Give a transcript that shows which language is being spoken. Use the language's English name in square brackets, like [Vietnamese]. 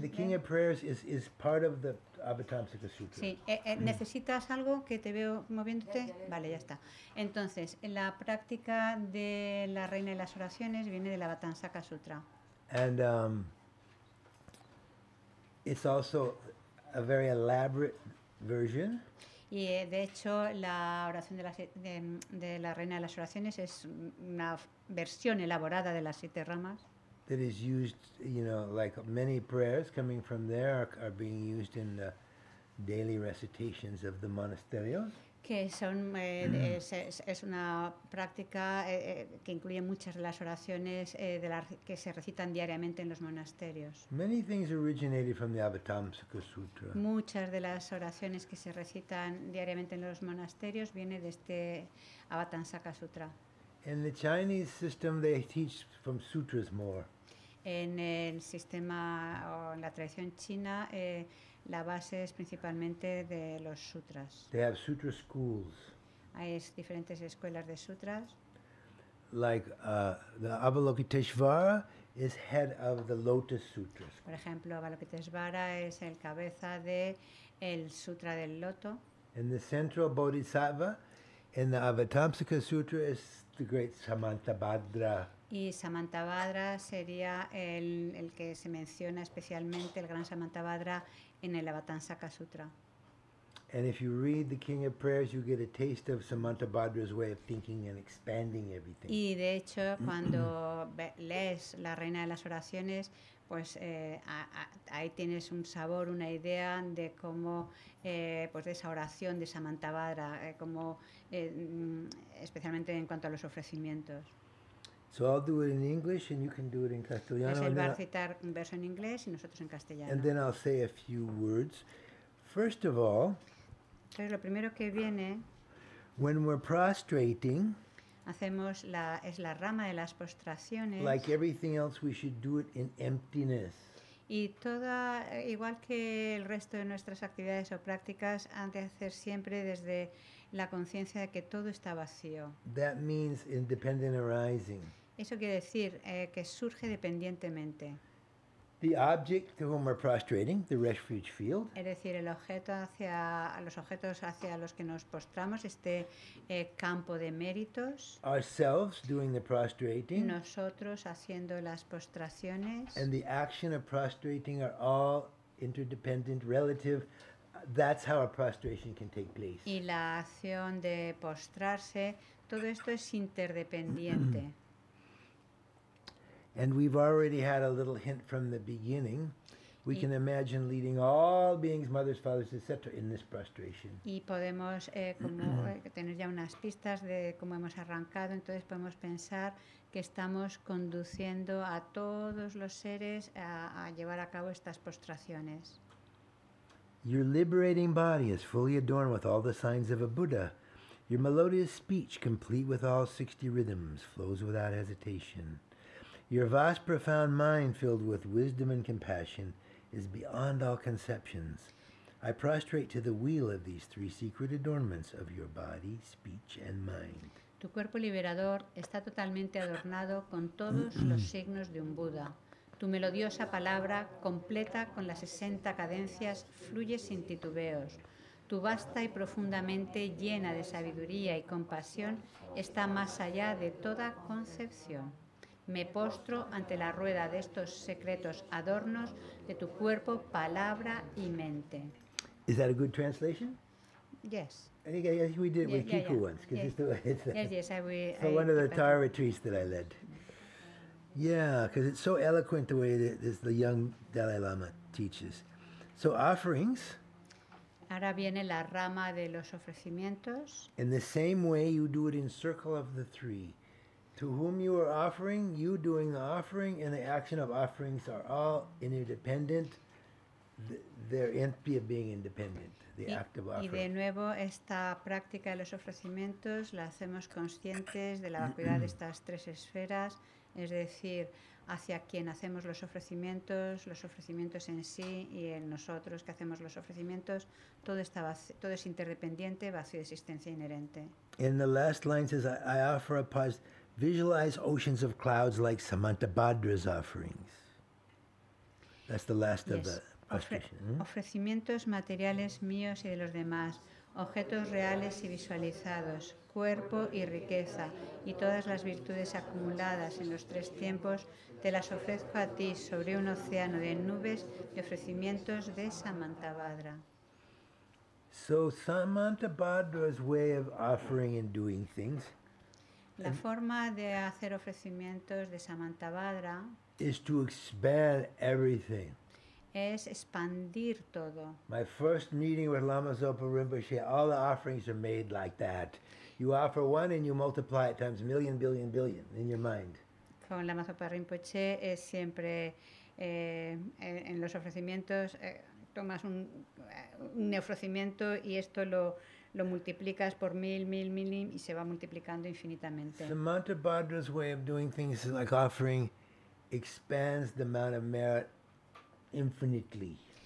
[English] The King of Prayers is part of the Avatamsaka Sutra. [Spanish] Sí. ¿Necesitas algo? Que te veo moviéndote. Vale, ya está. Entonces, la práctica de la Reina de las Oraciones viene de la Avatamsaka Sutra. [English] And it's also a very elaborate version. [Spanish] Y de hecho, la oración de la Reina de las Oraciones es una versión elaborada de las siete ramas. [English] That is used, you know, like many prayers coming from there are being used in the daily recitations of the monasterios. [Spanish] Que son es una práctica que incluye muchas de las oraciones que se recitan diariamente en los monasterios. [English] Many things originated from the Avatamsaka Sutra. [Spanish] Muchas de las oraciones que se recitan diariamente en los monasterios viene de este Avatamsaka Sutra. [English] In the Chinese system, they teach from sutras more. [Spanish] En el sistema o en la tradición china, la base es principalmente de los sutras. [English] They have sutra schools. [Spanish] Hay diferentes escuelas de sutras. [English] Like the Avalokiteshvara is head of the Lotus Sutras. [Spanish] Por ejemplo, Avalokitesvara es el cabeza de el Sutra del Loto. [English] And the central Bodhisattva in the Avatamsaka Sutra is the great Samantabhadra. [Spanish] Y Samantabhadra sería el que se menciona especialmente, el gran Samantabhadra, en el Avatamsaka Sutra. [English] And if you read the King of Prayers, you get a taste of Samantabhadra's way of thinking and expanding everything. [Spanish] Y de hecho, cuando lees la Reina de las Oraciones, pues ahí tienes un sabor, una idea de cómo, pues de esa oración de Samantabhadra, como especialmente en cuanto a los ofrecimientos. [English] So I'll do it in English and you can do it in castellano. [Spanish] Él va a citar un verso en inglés y nosotros en castellano. [English] And then I'll say a few words. First of all, [Spanish] pero lo primero que viene, [English] when we're prostrating, [Spanish] hacemos la, es la rama de las postraciones. [English] Like everything else, we should do it in emptiness. [Spanish] Y toda, igual que el resto de nuestras actividades o prácticas, han de hacer siempre desde la conciencia de que todo está vacío. [English] That means independent arising. [Spanish] Eso quiere decir que surge dependientemente. [English] The object to whom we're prostrating, the refuge field. [Spanish] Es decir, el objeto hacia los objetos hacia los que nos postramos, este campo de méritos. [English] Ourselves doing the prostrating. [Spanish] Nosotros haciendo las postraciones. [English] And the action of prostrating are all interdependent, relative. That's how a prostration can take place. [Spanish] Y la acción de postrarse, todo esto es interdependiente. [English] And we've already had a little hint from the beginning. We can imagine leading all beings, mothers, fathers, etc., in this prostration. [Spanish] Y podemos como tener ya unas pistas de cómo hemos arrancado. Entonces podemos pensar que estamos conduciendo a todos los seres a llevar a cabo estas postraciones. [English] Your liberating body is fully adorned with all the signs of a Buddha. Your melodious speech, complete with all 60 rhythms, flows without hesitation. Your vast, profound mind, filled with wisdom and compassion, is beyond all conceptions. I prostrate to the wheel of these three secret adornments of your body, speech, and mind. [Spanish] Tu cuerpo liberador está totalmente adornado con todos los signos de un Buda. Tu melodiosa palabra, completa con las 60 cadencias, fluye sin titubeos. Tu vasta y profunda mente, llena de sabiduría y compasión, está más allá de toda concepción. Me postro ante la rueda de estos secretos adornos de tu cuerpo, palabra y mente. [English] Is that a good translation? Yes. I think we did it with Kiku once. Yes, yes. One of the Tara retreats that I led. Yeah, because it's so eloquent the way that this, the young Dalai Lama teaches. So offerings. [Spanish] Ahora viene la rama de los ofrecimientos. [English] In the same way you do it in circle of the three. To whom you are offering, you doing the offering, and the action of offerings are all interdependent. They're empty of being independent. The act of offering. [Spanish] Y de nuevo esta práctica de los ofrecimientos la hacemos conscientes de la vacuidad de estas tres esferas, es decir, hacia quien hacemos los ofrecimientos en sí y en nosotros que hacemos los ofrecimientos, todo está todo es interdependiente, vacío de existencia inherente. [English] In the last line says, I offer a pause. Visualize oceans of clouds like Samantabhadra's offerings. That's the last yes. of the prostration. [Spanish] Ofrecimientos materiales míos y de los demás, objetos reales y visualizados, cuerpo y riqueza, y todas las virtudes acumuladas en los tres tiempos, te las ofrezco a ti sobre un océano de nubes de ofrecimientos de Samantabhadra. [English] So Samantabhadra's way of offering and doing things. [Spanish] La forma de hacer ofrecimientos de Samantabhadra [English] is to expand everything. [Spanish] Es expandir todo. [English] My first meeting with Lama Zopa Rinpoche, all the offerings are made like that. You offer one and you multiply it times million, billion, billion in your mind. [Spanish] Con Lama Zopa Rinpoche es siempre en los ofrecimientos tomas un ofrecimiento y esto lo multiplicas por mil y se va multiplicando infinitamente. [English] Samantabhadra's way of doing things is like offering expands the amount of merit infinitely.